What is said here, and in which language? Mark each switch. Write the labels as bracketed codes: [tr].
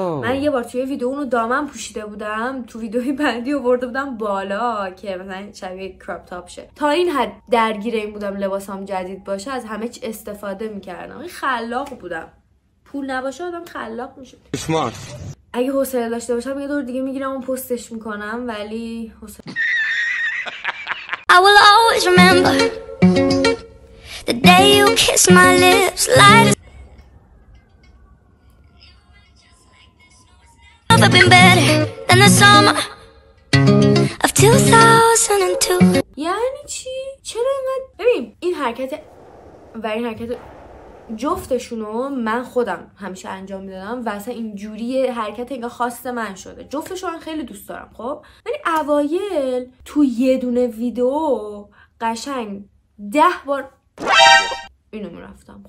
[fa] من یه بار توی ویدیو اونو دامن پوشیده بودم، تو ویدیوی بعدی آورده بودم بالا که مثلا شبیه کراپ تاپ شه. تا این حد درگیر این بودم لباسام جدید باشه، از همه چی استفاده میکردم، خلاق بودم. پول نباشه آدم خلاق میشه. [en] Smart. [fa] اگه حوصله داشته باشم یه دور دیگه میگیرم و پستش میکنم، ولی حوصله. [en] I will always remember the day you kissed my lips like never been better than the summer of 2002. [fa] یعنی چی؟ چرا اینقدر؟ ببین این حرکت و این حرکت جفتشونو من خودم همیشه انجام میدادم و اصلا اینجوری حرکت اینگه خاص من شده، جفتشون خیلی دوست دارم. خب ولی اوایل تو یه دونه ویدیو قشنگ 10 بار اینو میرفتم.